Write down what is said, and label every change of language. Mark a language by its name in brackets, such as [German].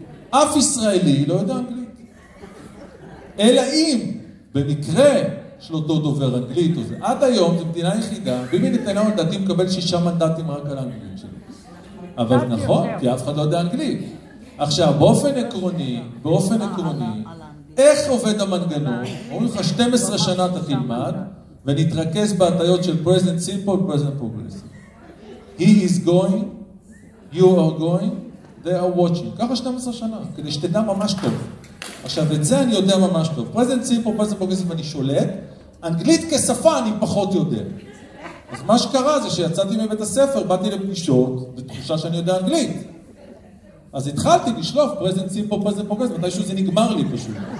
[Hebrew] אף ישראלי לא יודע אנגלית. אלא אם, במקרה של אותו דובר אנגלית, עד היום זה מדינה יחידה, ואם היא נתנה מנדטים, מקבל 6 מנדטים רק על האנגלית שלו. אבל נכון, כי אף אחד לא יודע אנגלית. עכשיו, באופן עקרוני, באופן עקרוני, איך עובד המנגנון? אומרים לך, 12 שנה אתה תלמד, ונתרכז בהטיות של present simple, present progressive. [English] He is going, you are going, they are watching. [Hebrew] ככה 12 שנה, כדי שתדע ממש טוב. עכשיו, את זה אני יודע ממש טוב. present simple, present progressive, אני שולט. אנגלית כשפה אני פחות יודע. אז מה שקרה זה שיצאתי מבית הספר, באתי לפגישות, ותחושה שאני יודע אנגלית. אז התחלתי לשלוף present simple, present progressive, מתישהו זה נגמר לי פשוט.